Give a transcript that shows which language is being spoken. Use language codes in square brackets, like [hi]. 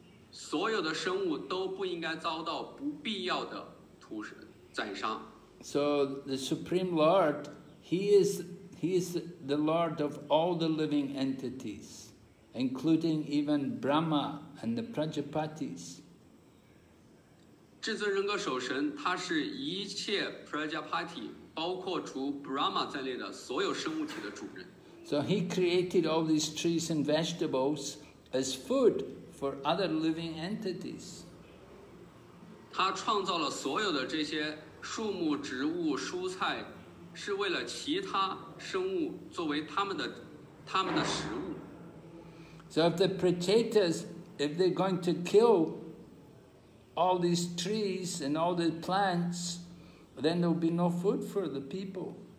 [zh] 所有的生物都不应该遭到不必要的屠杀、宰杀。 [en] So the Supreme Lord, he is the Lord of all the living entities, including even Brahma and the Prajapatis. [zh] 至尊人格守神，他是一切 Prajapati。包括除 Brahma 在内的所有生物体的主人。 [en] So he created all these trees and vegetables as food for other living entities. [zh] 他创造了所有的这些树木、植物、蔬菜，是为了其他生物作为他们的食物。 [en] So if the potatoes, if they're going to kill all these trees and all the plants,Then there will be no food for the people.